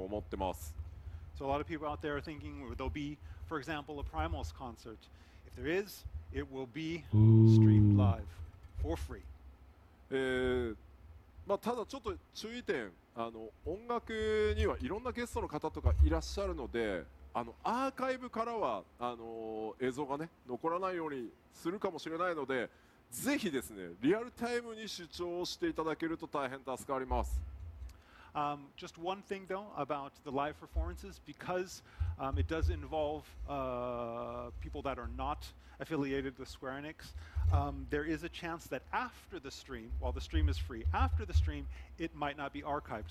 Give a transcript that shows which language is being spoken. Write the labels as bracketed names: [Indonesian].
[English] So a lot of people out there are thinking there'll be, for example, a Primals concert. If there is, it will be streamed live for free. [Japanese] ただちょっと注意点、音楽にはいろんなゲストの方とかいらっしゃるので、 アーカイブからは映像がね残らないようにするかもしれないので。ぜひですね、リアルタイムに視聴していただけると大変助かります。 [English] Just one thing though about the live performances, because it does involve people that are not affiliated with Square Enix, there is a chance that after the stream, while the stream is free, after the stream, it might not be archived.